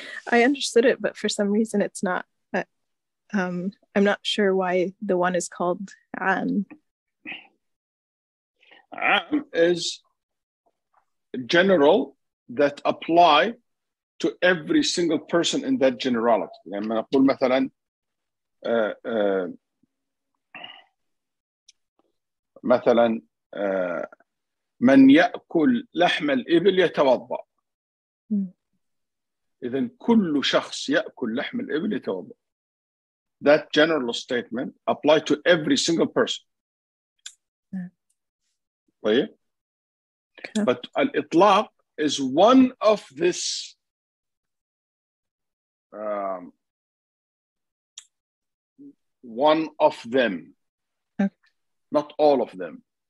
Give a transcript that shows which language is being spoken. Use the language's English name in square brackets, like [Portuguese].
[English] I understood it, but for some reason it's not, I'm not sure why the one is called am. Am is general that apply to every single person in that generality. [Arabic] لما نقول مثلا مثلا من يأكل لحم الإبل يتوضأ، إذن كل شخص يأكل لحم الإبل يتوضأ. [English] That general statement applies to every single person. [Arabic] طيب. [English] But الإطلاق is one of this one of them, not all of them.